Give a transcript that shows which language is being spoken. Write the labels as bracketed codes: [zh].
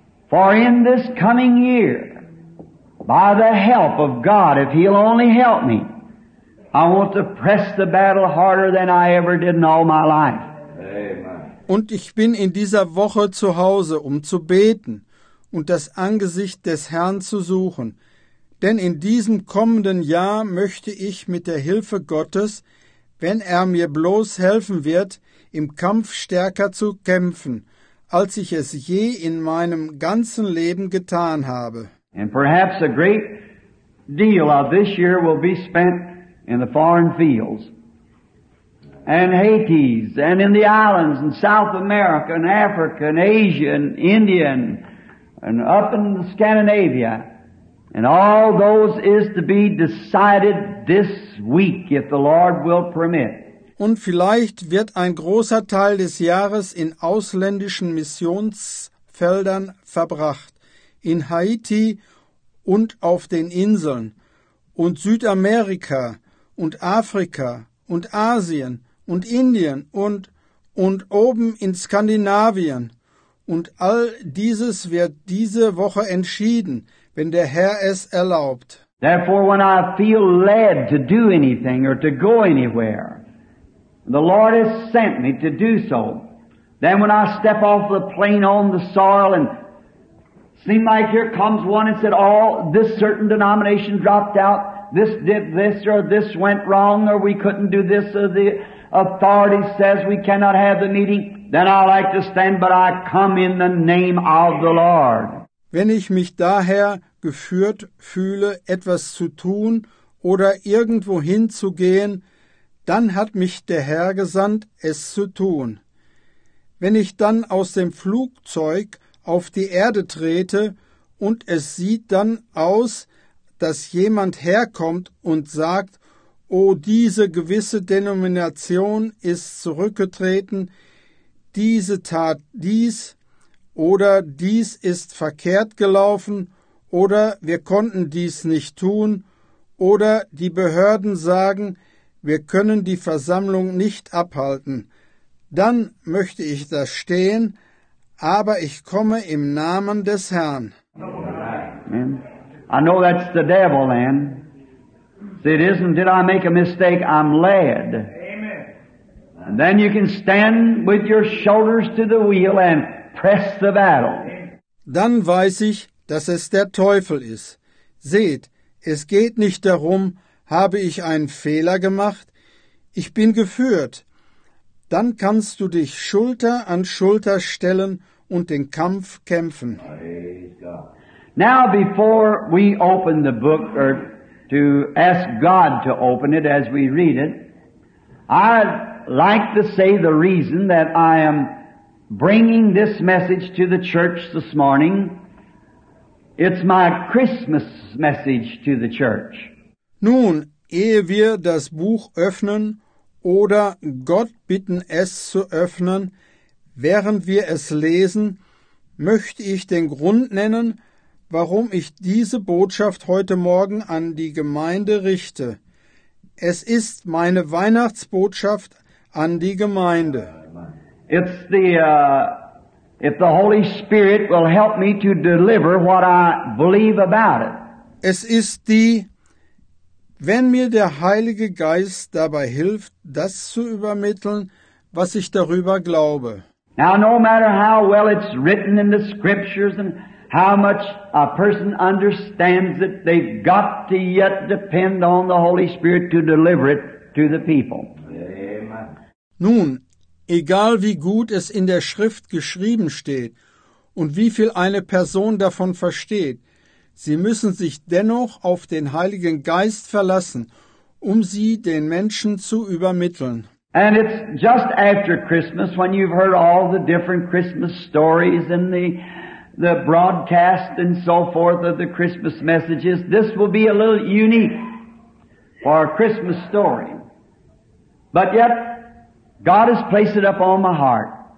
[en] For in this coming year, by the help of God, if He'll only help me, I want to press the battle harder than I ever did in all my life. [de] Und ich bin in dieser Woche zu Hause, um zu beten und das Angesicht des Herrn zu suchen. Denn in diesem kommenden Jahr möchte ich mit der Hilfe Gottes, wenn er mir bloß helfen wird, im Kampf stärker zu kämpfen, als ich es je in meinem ganzen Leben getan habe. [en] And perhaps a great deal of this year will be spent in the foreign fields. And Haiti, and in the islands, and South America, and Africa, and Asia, and India, and up in Scandinavia. And all those is to be decided this week, if the Lord will permit. [de] Und vielleicht wird ein großer Teil des Jahres in ausländischen Missions Feldern verbracht, in Haiti und auf den Inseln und Südamerika und Afrika und Asien und Indien und oben in Skandinavien. Und all dieses wird diese Woche entschieden, wenn der Herr es erlaubt. [en] Therefore, when I feel led to do anything or to go anywhere, the Lord has sent me to do so. Then when I step off the plane on the soil and seem like here comes one and said, oh, this certain denomination dropped out, this did this or this went wrong or we couldn't do this or the authority says we cannot have the meeting, then I like to stand, but I come in the name of the Lord. [de] Wenn ich mich daher geführt fühle, etwas zu tun oder irgendwo hinzugehen, dann hat mich der Herr gesandt, es zu tun. Wenn ich dann aus dem Flugzeug auf die Erde trete und es sieht dann aus, dass jemand herkommt und sagt, oh, diese gewisse Denomination ist zurückgetreten, diese tat dies oder dies ist verkehrt gelaufen oder wir konnten dies nicht tun oder die Behörden sagen, wir können die Versammlung nicht abhalten. Dann möchte ich da stehen, aber ich komme im Namen des Herrn. [en] I know that's the devil then. See, it isn't, did I make a mistake, I'm led. And then you can stand with your shoulders to the wheel and press the battle. [de] Dann weiß ich, dass es der Teufel ist. Seht, es geht nicht darum, habe ich einen Fehler gemacht? Ich bin geführt. Dann kannst du dich Schulter an Schulter stellen und den Kampf kämpfen. [en] Now before we open the book or to ask God to open it as we read it, I'd like to say the reason that I am bringing this message to the church this morning. It's my Christmas message to the church. [de] Nun, ehe wir das Buch öffnen oder Gott bitten, es zu öffnen, während wir es lesen, möchte ich den Grund nennen, warum ich diese Botschaft heute Morgen an die Gemeinde richte. Es ist meine Weihnachtsbotschaft an die Gemeinde. [en] It's the, if the Holy Spirit will help me to deliver what I believe about it. [de] Es ist die, wenn mir der Heilige Geist dabei hilft, das zu übermitteln, was ich darüber glaube. [en] Now, no matter how well it's written in the scriptures and how much a person understands it, they've got to yet depend on the Holy Spirit to deliver it to the people. [de] Nun, egal wie gut es in der Schrift geschrieben steht und wie viel eine Person davon versteht, sie müssen sich dennoch auf den Heiligen Geist verlassen, um sie den Menschen zu übermitteln. [en] And it's just after Christmas, when you've heard all the different Christmas stories and the broadcast and so forth of the Christmas messages, this will be a little unique for a Christmas story. But yet, God has placed it up on my heart.